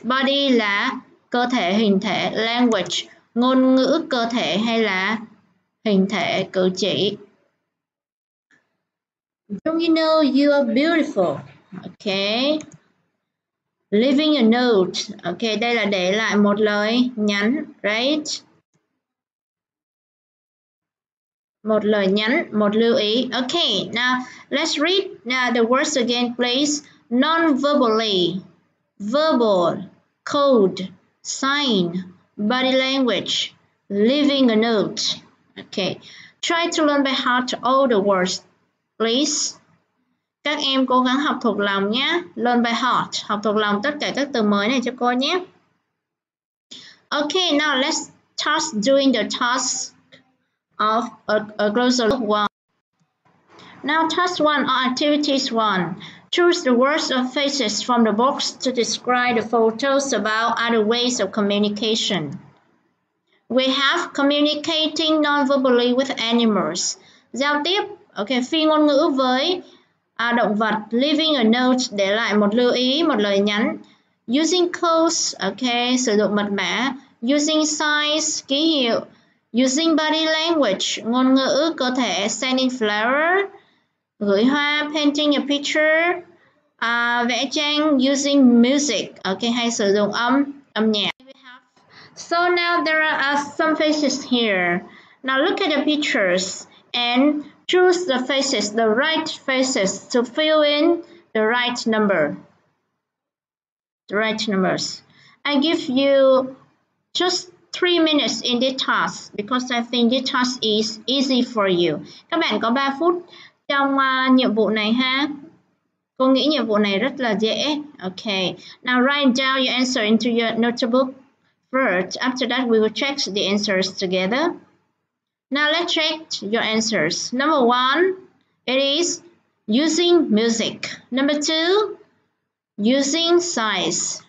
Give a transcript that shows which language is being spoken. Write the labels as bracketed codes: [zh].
[vi] Body là cơ thể, hình thể. Language, ngôn ngữ, cơ thể hay là hình thể, cử chỉ. [en] Don't you know you are beautiful? Okay. Leaving a note. [vi] Okay, đây là để lại một lời nhắn, [en] right? [vi] Một lời nhắn, một lưu ý. [en] Okay, now let's read now the words again, please. Non-verbally, verbal, code, sign, body language, leaving a note. Okay, try to learn by heart all the words, please. [vi] Các em cố gắng học thuộc lòng nhé. [en] Learn by heart, [vi] học thuộc lòng tất cả các từ mới này cho cô nhé. [en] Okay, now let's start doing the task of a closer look one. Now task one or activities one. Choose the words or faces from the box to describe the photos about other ways of communication. We have communicating non-verbally with animals. [vi] Giao tiếp, okay, phi ngôn ngữ với động vật. [en] Leaving a note, [vi] để lại một lưu ý, một lời nhắn. [en] Using codes, [vi] okay, sử dụng mật mã. [en] Using signs, [vi] ký hiệu. [en] Using body language, [vi] ngôn ngữ, cơ thể. [en] Sending flower, [vi] gửi hoa. [en] Painting a picture, [vi] vẽ tranh. [en] Using music, [vi] okay, hay sử dụng âm nhạc. [en] So now there are some faces here. Now look at the pictures and choose the faces, the right faces, to fill in the right number. The right numbers. I give you just 3 minutes in this task because I think this task is easy for you. [vi] Các bạn có 3 phút trong nhiệm vụ này ha? Cô nghĩ nhiệm vụ này rất là dễ. [en] Okay. Now write down your answer into your notebook. First, after that, we will check the answers together. Now, let's check your answers. Number one, it is using music. Number two, using size.